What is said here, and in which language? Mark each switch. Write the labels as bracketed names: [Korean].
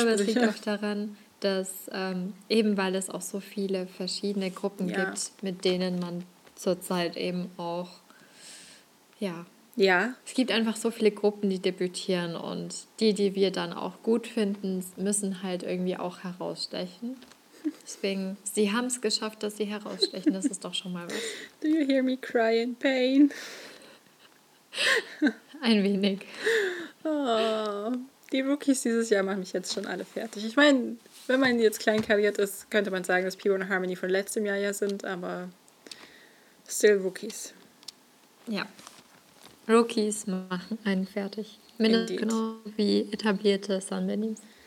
[German] Aber ich glaube, es liegt auch daran, dass eben weil es auch so viele verschiedene Gruppen gibt, mit denen man zurzeit eben auch, es gibt einfach so viele Gruppen, die debütieren und die wir dann auch gut finden, müssen halt irgendwie auch herausstechen. Deswegen, sie haben es geschafft, dass sie herausstechen. Das ist doch schon mal was. [English] Do you hear me cry in pain? [German] Ein wenig. Oh, die Rookies dieses Jahr machen mich jetzt schon alle fertig. Ich meine, wenn man jetzt kleinkariert ist, könnte man sagen, dass P1 und Harmony von letztem Jahr ja sind, aber [English] still Rookies. [German] Ja. Rookies machen einen fertig. Mindestens genau wie etablierte Sunbenis.